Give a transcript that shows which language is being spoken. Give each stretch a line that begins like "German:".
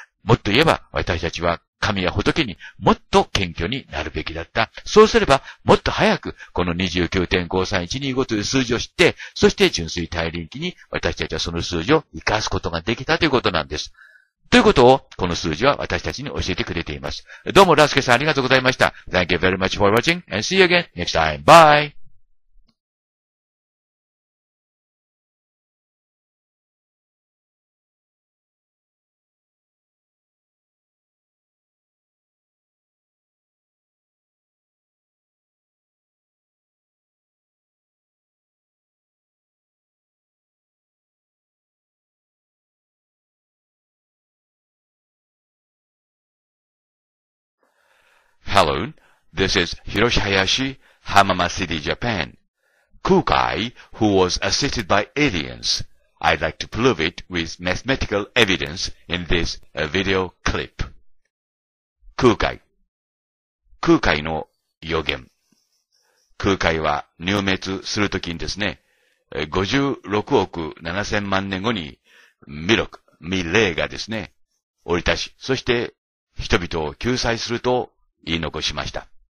Japanese: もっと言えば、私たちは神や仏にもっと謙虚になるべきだった。そうすれば、もっと早く、この 29.53125 という数字を知って、そして純粋大輪記に私たちはその数字を生かすことができたということなんです。ということを、この数字は私たちに教えてくれています。どうも、ランスケさんありがとうございました。
English: Thank you very much for watching and see you again next time. Bye! Hello, this is Hiroshi Hayashi, Hamama City, Japan. Kukai, who was assisted by aliens, I'd like to prove it with mathematical evidence in this video clip.
Japanese: Kukai. Kukai の予言。 Kukai は入滅するときにですね、56億7千万年後に未霊がですね、降り立ち、そして人々を救済すると、言い残しました。